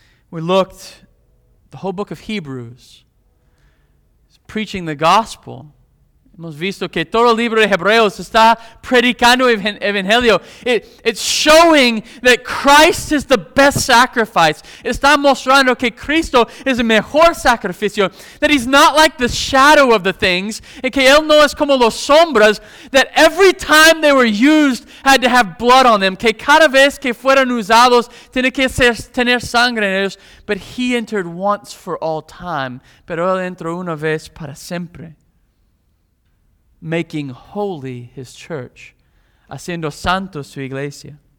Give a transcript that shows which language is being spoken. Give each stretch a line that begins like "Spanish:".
English: We looked, the whole book of Hebrews, preaching the gospel.
Spanish: Hemos visto que todo el libro de Hebreos está predicando el Evangelio.
English: It's showing that Christ is the best sacrifice.
Spanish: Está mostrando que Cristo es el mejor sacrificio.
English: That he's not like the shadow of the things.
Spanish: Y que él no es como los sombras.
English: That every time they were used had to have blood on them.
Spanish: Que cada vez que fueron usados tiene que tener sangre en ellos.
English: But he entered once for all time.
Spanish: Pero él entró una vez para siempre.
English: Making holy his church,
Spanish: haciendo santo su iglesia.